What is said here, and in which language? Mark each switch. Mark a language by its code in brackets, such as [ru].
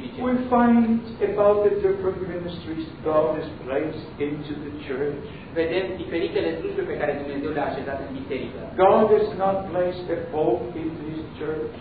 [en] we find about the different ministries God has placed into the church. [ro] Vedem diferitele slujbe pe care Dumnezeu le-a așezat în biserică. [en] God has not placed a pope in his church.